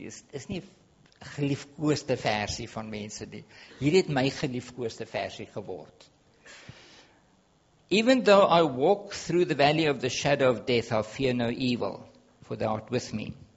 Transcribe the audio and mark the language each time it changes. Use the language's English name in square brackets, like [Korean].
[Afrikaans] Is nie 'n geliefkoeste versie van mense nie. Hier het my geliefkoeste versie geword. [English] Even though I walk through the valley of the shadow of death, I fear no evil, for thou art with me.